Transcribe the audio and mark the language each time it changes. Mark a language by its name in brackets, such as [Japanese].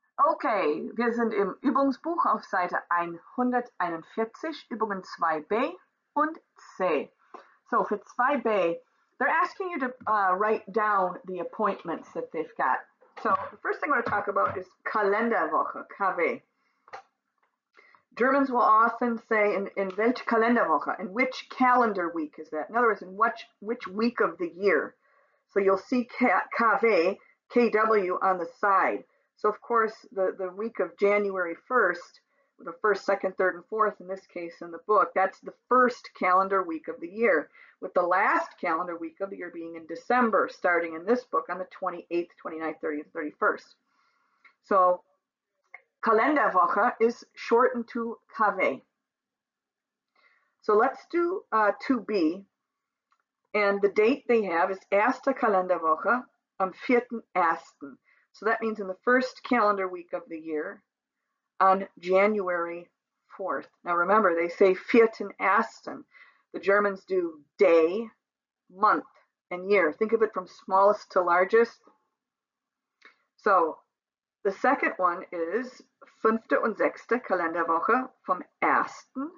[German] Okay, wir sind im Übungsbuch auf Seite 141, Übungen 2b und c. [English] So, for 2b, they're asking you to write down the appointments that they've got. So, the first thing we're going to talk about is Kalenderwoche, KW. Germans will often say, [German] in welche Kalenderwoche, [English] in which calendar week is that? In other words, in which week of the year? So, you'll see KW, KW on the side. So, of course, the week of January 1st, the 1st, 2nd, 3rd, and 4th, in this case in the book, that's the first calendar week of the year, with the last calendar week of the year being in December, starting in this book on the 28th, 29th, 30th, 31st. So, Kalenderwoche is shortened to KW. So, let's do 2b. And the date they have is [German] Erste Kalenderwoche am 4.1. [English] So that means in the first calendar week of the year on January 4th. Now remember, they say [German] vierten ersten. [English] The Germans do day, month, and year. Think of it from smallest to largest. So the second one is [German] fünfte und sechste Kalenderwoche vom 1.